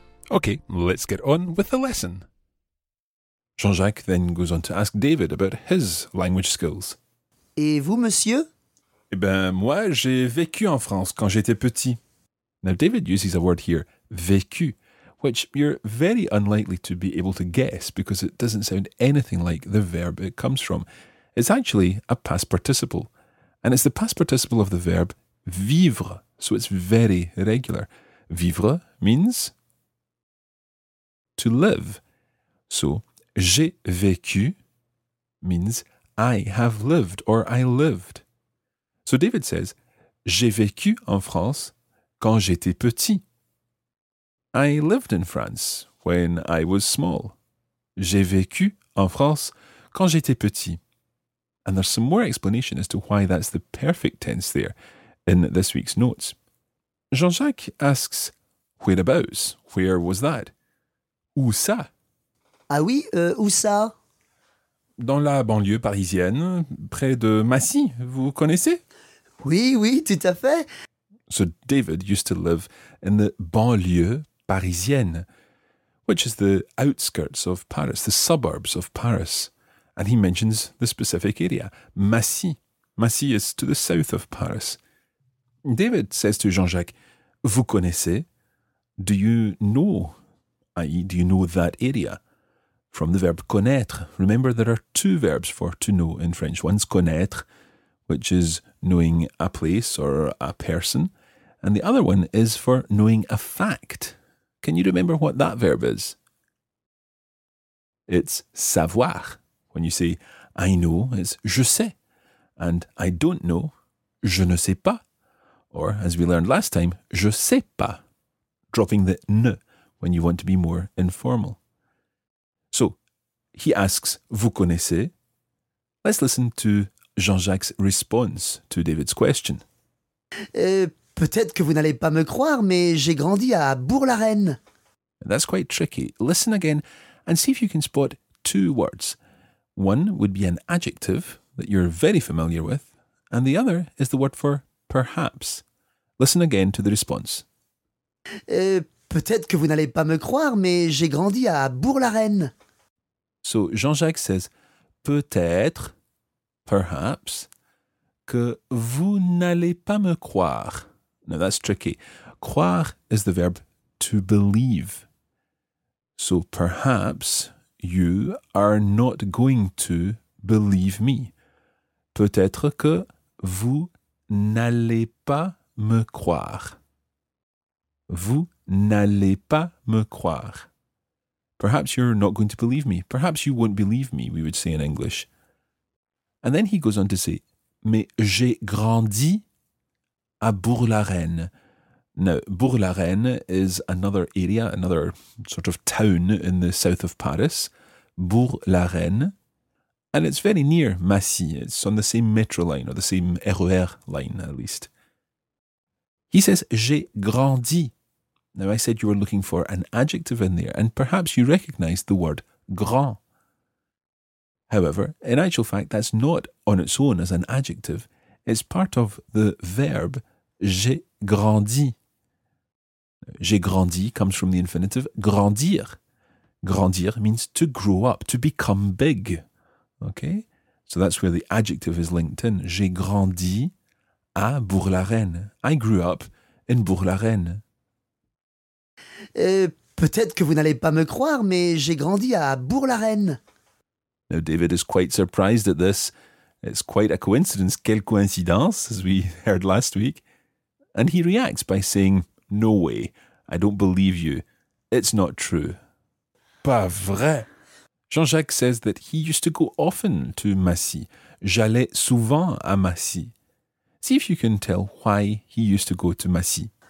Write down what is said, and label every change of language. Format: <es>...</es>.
<en>Okay, let's get on with the lesson. Jean-Jacques then goes on to ask David about his language skills.</en> <fr>Et vous, monsieur? Eh ben, moi, j'ai vécu en France quand j'étais petit.</fr> <en>Now, David uses a word here, vécu, which you're very unlikely to be able to guess because it doesn't sound anything like the verb it comes from. It's actually a past participle, and it's the past participle of the verb vivre, so it's very regular. Vivre means to live. So,</en> <fr>j'ai vécu</fr> <en>means I have lived or I lived. So David says,</en> <fr>j'ai vécu en France quand j'étais petit.</fr> <en>I lived in France when I was small.</en> <fr>J'ai vécu en France quand j'étais petit.</fr> <en>And there's some more explanation as to why that's the perfect tense there in this week's notes. Jean-Jacques asks, whereabouts? Where was that?</en> <fr>Où ça? Ah oui, où ça? Dans la banlieue parisienne, près de Massy, vous connaissez? Oui, oui, tout à fait.</fr> <en>So David used to live in the banlieue parisienne, which is the outskirts of Paris, the suburbs of Paris. And he mentions the specific area, Massy. Massy is to the south of Paris. David says to Jean-Jacques,</en> <fr>vous connaissez?</fr> <en>Do you know? I.e., do you know that area? From the verb connaître. Remember, there are two verbs for to know in French. One's connaître, which is knowing a place or a person. And the other one is for knowing a fact. Can you remember what that verb is? It's savoir. When you say, I know, it's</en> <fr>je sais.</fr> <en>And I don't know,</en> <fr>je ne sais pas.</fr> <en>Or, as we learned last time,</en> <fr>je sais pas,</fr> <en>dropping the ne when you want to be more informal. So, he asks,</en> <fr>vous connaissez?</fr> <en>Let's listen to Jean-Jacques' response to David's question.</en> <fr>Peut-être que vous n'allez pas me croire, mais j'ai grandi à Bourg-la-Reine.</fr> <en>That's quite tricky. Listen again and see if you can spot two words. One would be an adjective that you're very familiar with, and the other is the word for perhaps. Listen again to the response.</en> <fr>Peut-être que vous n'allez pas me croire, mais j'ai grandi à Bourg-la-Reine.</fr> <en>So Jean-Jacques says,</en> <fr>peut-être,</fr> <en>perhaps,</en> <fr>que vous n'allez pas me croire.</fr> <en>Now that's tricky. Croire is the verb to believe. So perhaps you are not going to believe me.</en> <fr>Peut-être que vous n'allez pas me croire. Vous n'allez pas me croire.</fr> <en>Perhaps you're not going to believe me. Perhaps you won't believe me, we would say in English. And then he goes on to say,</en> <fr>mais j'ai grandi à Bourg-la-Reine.</fr> <en>Now, Bourg-la-Reine is another area, another sort of town in the south of Paris. Bourg-la-Reine. And it's very near Massy. It's on the same metro line, or the same RER line, at least. He says,</en> <fr>j'ai grandi.</fr> <en>Now, I said you were looking for an adjective in there, and perhaps you recognise the word grand. However, in actual fact, that's not on its own as an adjective. It's part of the verb</en> <fr>j'ai grandi. J'ai grandi</fr> <en>comes from the infinitive grandir. Grandir means to grow up, to become big. Okay? So that's where the adjective is linked in.</en> <fr>J'ai grandi à Bourg-la-Reine.</fr> <en>I grew up in Bourg-la-Reine.</en> <fr>Peut-être que vous n'allez pas me croire, mais j'ai grandi à Bourg-la-Reine.</fr> <en>Now, David is quite surprised at this. It's quite a coincidence.</en> <fr>Quelle coïncidence,</fr> <en>as we heard last week. And he reacts by saying, no way, I don't believe you. It's not true.</en> <fr>Pas vrai.</fr> <en>Jean-Jacques says that he used to go often to Massy.</en> <fr>J'allais souvent à Massy.</fr> <en>See if you can tell why he used to go to Massy.</en>